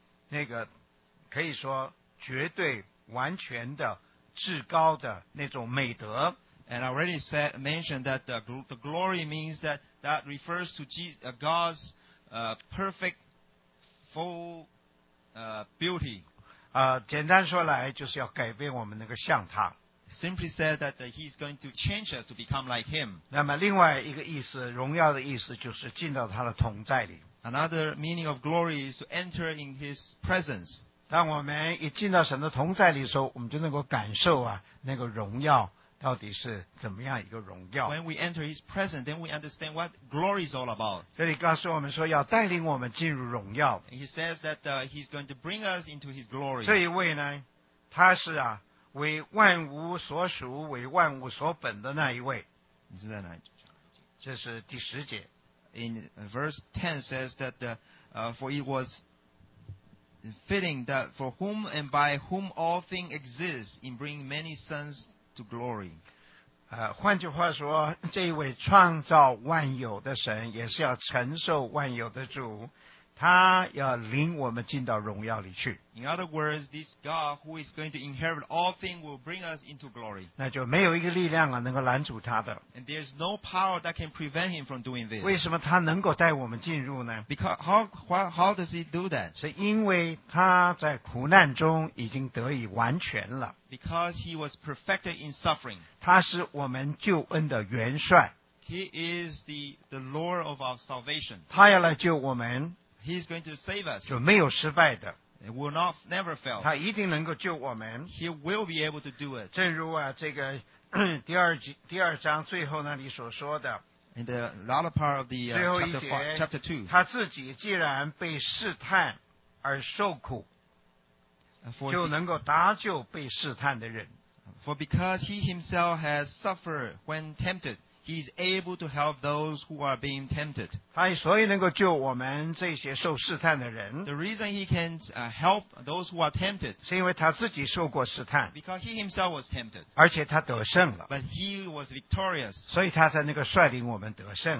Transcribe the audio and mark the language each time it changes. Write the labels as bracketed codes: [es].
[zh] 那个可以说绝对完全的至高的那种美德。 [en] And I already said, mentioned that the glory means that that refers to God's perfect full beauty. [zh] 简单说来就是要改变我们那个像他。 [en] Simply said that He's going to change us to become like Him. [zh] 那么另外一个意思，荣耀的意思就是进到他的同在里。 [en] Another meaning of glory is to enter in His presence. [zh] 当我们一进到神的同在里的时候，我们就能够感受啊，那个荣耀到底是怎么样一个荣耀。 [en] When we enter His presence, then we understand what glory is all about. [zh] 这里告诉我们说要带领我们进入荣耀。 [en] And He says that He's going to bring us into His glory. [zh] 这一位呢，他是啊，为万物所属、为万物所本的那一位。你是在哪里？这是第十节。 [en] In verse 10 says that for it was fitting that for whom and by whom all things exist in bringing many sons to glory. [zh] 换句话说，这一位创造万有的神，也是要承受万有的主，他要领我们进到荣耀里去。 [en] In other words, this God who is going to inherit all things will bring us into glory. [zh] 那就没有一个力量啊能够拦阻他的。 [en] And there is no power that can prevent Him from doing this. [zh] 为什么他能够带我们进入呢？ [en] Because how does He do that? [zh] 是因为他在苦难中已经得以完全了。 [en] Because He was perfected in suffering. [zh] 他是我们救恩的元帅。 [en] He is the Lord of our salvation. [zh] 他要来救我们。 [en] He is going to save us. [zh] 就没有失败的。 [en] It will not never fail. [zh] 他一定能够救我们。 [en] He will be able to do it. [zh] 正如啊，这个第二章最后那里所说的。 [en] In the latter part of the chapter 2. [zh] 他自己既然被试探而受苦，就能够搭救被试探的人。 [en] For because he himself has suffered when tempted. He is able to help those who are being tempted. [zh] 他所以能够救我们这些受试探的人。 [en] The reason he can help those who are tempted. [zh] 是因为他自己受过试探。 [en] Because he himself was tempted. [zh] 而且他得胜了。 [en] But he was victorious. [zh] 所以他才能够率领我们得胜。